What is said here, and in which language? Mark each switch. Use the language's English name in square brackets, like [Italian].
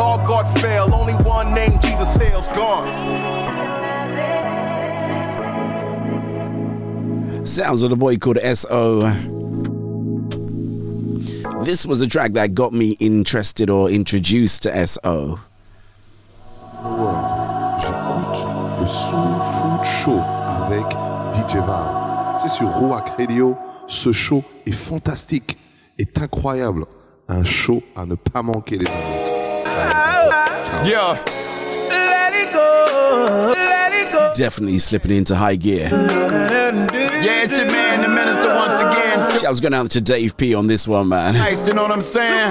[English] All God fail, only one name, Jesus hails, gone. Sounds of the boy called S.O. This was a track that got me interested or introduced to S.O. [French] Le Soul Food Show avec DJ Val. C'est sur Rouac Radio. Ce show est fantastique, est incroyable. Un show à ne pas manquer, les amis. [English] Yeah. Let it go. Let it go. Definitely slipping into high gear. Yeah, it's your man, the minister once again. I was going out to Dave P on this one, man. Nice, you know what I'm saying?